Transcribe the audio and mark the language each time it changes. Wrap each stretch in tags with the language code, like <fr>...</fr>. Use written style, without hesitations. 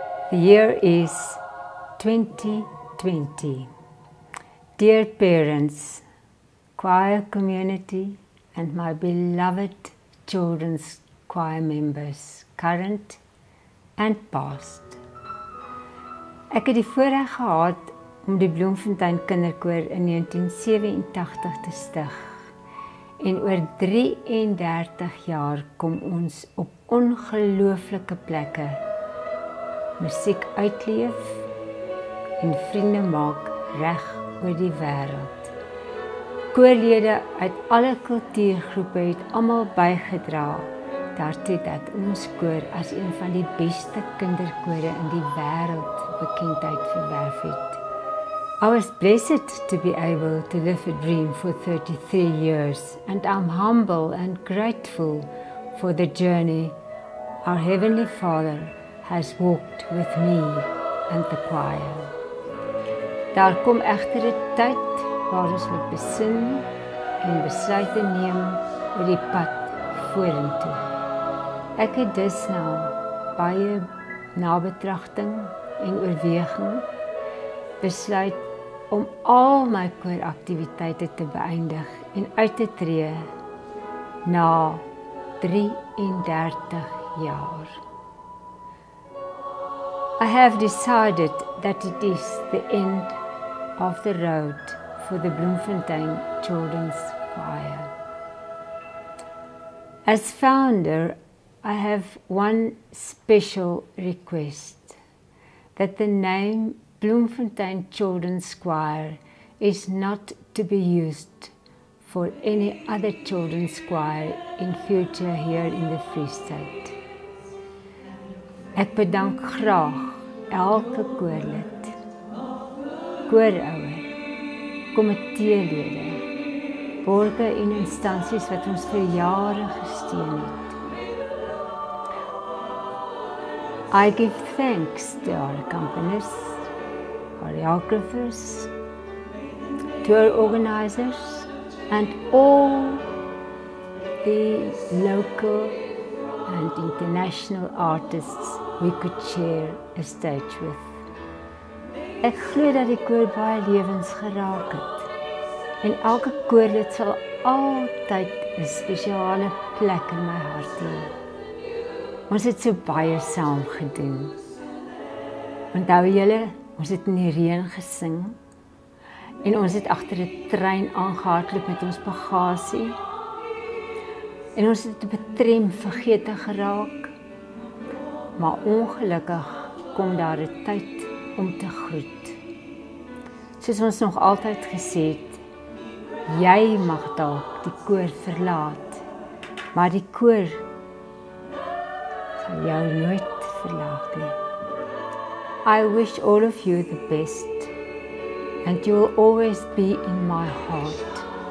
<en>Year is 2020. Dear parents, choir community, and my beloved children's choir members, current and past.</en> <af>Ek het die voorreg gehad om die Bloemfontein Kinderkoor in 1987 te stig. En oor 33 jaar kom ons op ongelooflike plekke. Musiek uitleef en vriende maak reg oor die wêreld. Koorlede uit alle kultuurgroepe het almal bygedra daartoe dat ons koor as een van die beste kinderkore in die wêreld bekendheid verwerf het.</af> <en>I was blessed to be able to live a dream for 33 years and I'm humble and grateful for the journey our Heavenly Father has walked with me and the choir.</en> <af>Daar kom egter 'n tyd waar ons moet besin en besluite neem oor die pad vorentoe. Ek het dus nou baie nabetragting en oorweging besluit om al my kooraktiwiteite te beëindig en uit te tree na 33 jaar.</af> <en>I have decided that it is the end of the road for the Bloemfontein Children's Choir. As founder, I have one special request, that the name Bloemfontein Children's Choir is not to be used for any other children's choir in future here in the Free State.</en> <af>Ek bedank graag elke koorlid, koorouer, komiteelede, borge en instansies wat ons vir jare gesteun het.</af> <en>I give thanks to our companies, choreographers, tour organizers and all the local and international artists we could share a stage with.</en> <af>Ek glo dat die koor baie lewens geraak het en elke koorlid sal altyd 'n spesiale plek in my hart hê. Ons het so baie saam gedoen. Onthou julle, ons het in die reën gesing en ons het agter 'n trein aangehardloop met ons bagasie en ons het op 'n tram vergete geraak. Maar ongelukkig kom daar 'n tyd om te groet. Soos ons nog altyd gesê het, jy mag dalk die koor verlaat, maar die koor sal jou nooit verlaat nie.</af> <en>I wish all of you the best, and you will always be in my heart.</en>